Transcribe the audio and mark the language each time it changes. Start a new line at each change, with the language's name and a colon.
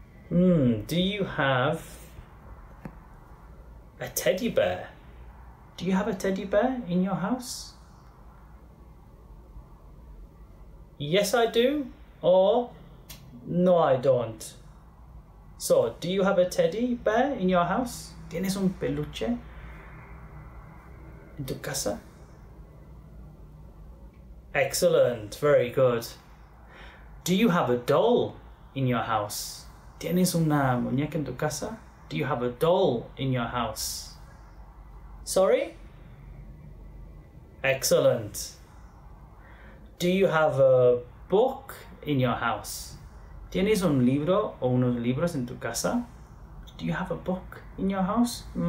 English: Do you have a teddy bear? Do you have a teddy bear in your house? Yes, I do. Or, no, I don't. So, do you have a teddy bear in your house?
Spanish: ¿Tienes un peluche en tu casa?
English: Excellent, very good. Do you have a doll in your house?
Spanish: ¿Tienes una muñeca en tu casa?
English: Do you have a doll in your house? Sorry? Excellent. Do you have a book in your house?
Spanish: ¿Tienes un libro o unos libros en tu casa?
English: Do you have a book in your house?